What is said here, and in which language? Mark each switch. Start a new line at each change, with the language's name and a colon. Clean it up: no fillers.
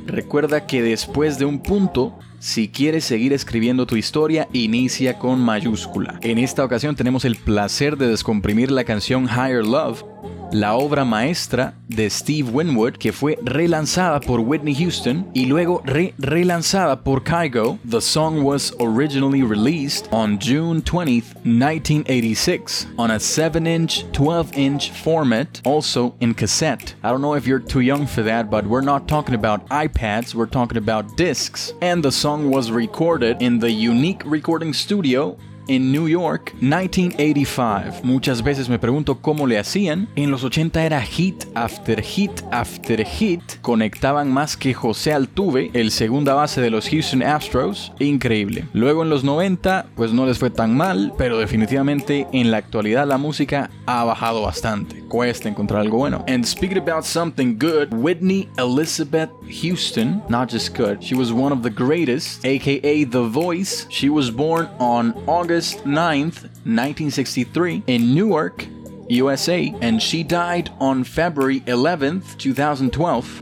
Spanish: Recuerda que después de un punto, si quieres seguir escribiendo tu historia, inicia con mayúscula. En esta ocasión tenemos el placer de descomprimir la canción Higher Love, la obra maestra de Steve Winwood, que fue relanzada por Whitney Houston y luego relanzada por Kygo.
English: The song was originally released on June 20th, 1986, on a 7-inch, 12-inch format, also in cassette. I don't know if you're too young for that, but we're not talking about iPads, we're talking about discs. And the song was recorded in the Unique Recording Studio in New York, 1985.
Spanish: Muchas veces me pregunto cómo le hacían. En los 80 era
English: hit after hit after hit.
Spanish: Conectaban más que José Altuve, el segunda base de los Houston Astros. Increíble. Luego en los 90, pues no les fue tan mal, pero definitivamente en la actualidad la música ha bajado bastante. Cuesta encontrar algo bueno.
English: And speaking about something good, Whitney Elizabeth Houston, not just good, she was one of the greatest, aka The Voice. She was born on August 9th, 1963, in Newark, USA, and she died on February 11th, 2012.